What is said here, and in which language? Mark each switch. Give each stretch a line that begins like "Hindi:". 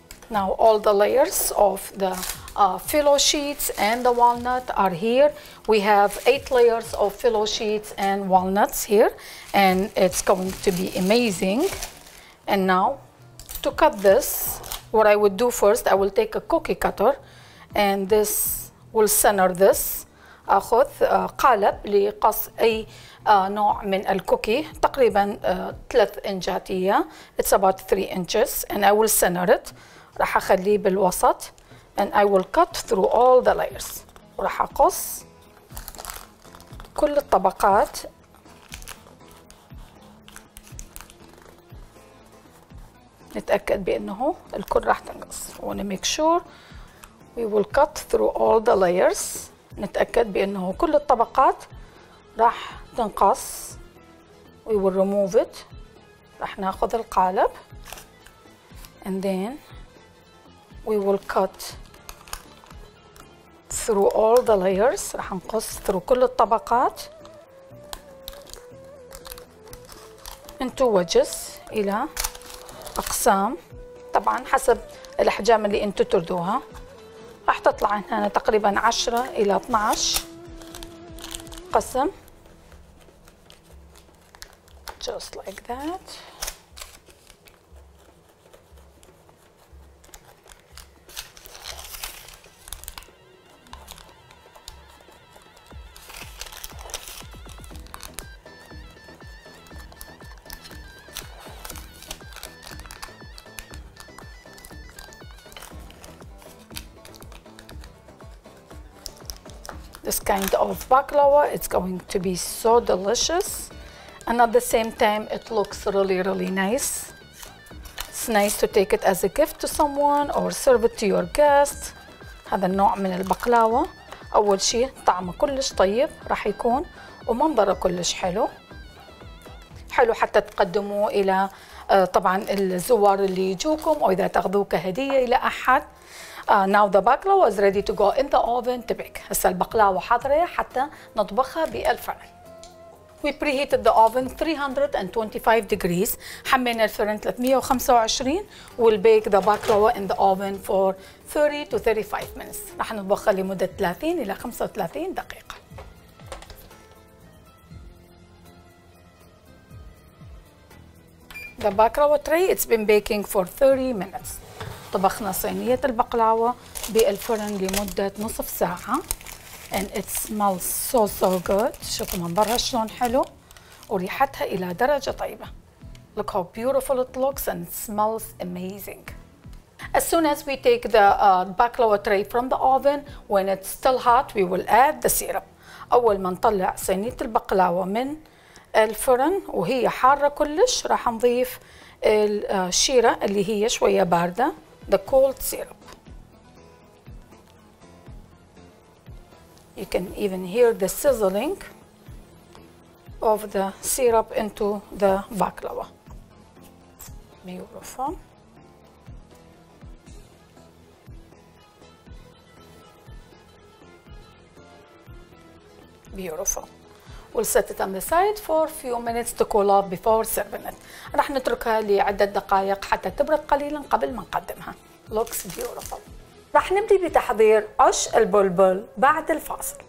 English: Now all the layers of the phyllo sheets and the walnut are here. We have 8 layers of phyllo sheets and walnuts here, and it's going to be amazing. And now to cut this, what I would do first, I will take a cookie cutter and this will center this.
Arabic: أخذ قالب لقص أي نوع من الكوكي تقريبا 3 إنجات هي.
English: It's about 3 inches and I will center it.
Arabic: راح أخليه بالوسط
English: and I will cut through all the layers.
Arabic: راح أقص كل الطبقات. نتأكد بأنه الكل راح تنقص.
English: Wanna make sure we will cut through all the layers.
Arabic: نتأكد بأنه كل الطبقات راح تنقص.
English: We will remove it.
Arabic: راح نأخذ القالب
English: and then we will cut through all the layers.
Arabic: راح نقص
English: through
Arabic: كل الطبقات
English: into wedges
Arabic: إلى أقسام طبعا حسب الأحجام اللي أنتوا تردوها. راح تطلع هنا تقريبا 10 إلى 12 قسم
English: just like that. This kind of baklava, it's going to be so delicious, and at the same time it looks really really nice. It's nice to take it as a gift to someone or serve it to your guests.
Arabic: هذا النوع من البقلاوة أول شيء طعمه كلش طيب راح يكون ومنظره كلش حلو. حلو حتى تقدموه إلى طبعا الزوار اللي يجوكم أو إذا تاخذوه كهدية إلى أحد.
English: Now the baklava is ready to go in the oven to bake.
Arabic: هسا البقلاوة حاضرة حتى نطبخها بالفرن.
English: We preheated the oven 325 degrees.
Arabic: حمينا الفرن
English: 325 will bake the baklava in the oven for 30 to 35 minutes.
Arabic: راح نطبخها لمدة 30 إلى 35 دقيقة.
English: The baklava tray, it's been baking for 30 minutes.
Arabic: طبخنا صينية البقلاوة بالفرن لمدة نصف ساعة
English: and it smells so so good.
Arabic: شوفوا منظرها شلون حلو وريحتها إلى درجة طيبة.
English: Look how beautiful it looks and it smells amazing. As soon as we take the baklava tray from the oven, when it's still hot, we will add the syrup.
Arabic: أول ما نطلع صينية البقلاوة من الفرن وهي حارة كلش راح نضيف الشيرة اللي هي شوية باردة.
English: The cold syrup. You can even hear the sizzling of the syrup into the baklava. Beautiful. Beautiful. we'll set it on the side for few minutes to cool off before serving it.
Arabic: راح نتركها لعدة دقائق حتى تبرد قليلا قبل ما نقدمها.
English: Looks beautiful.
Arabic: راح نبدأ بتحضير عش البلبل بعد الفاصل.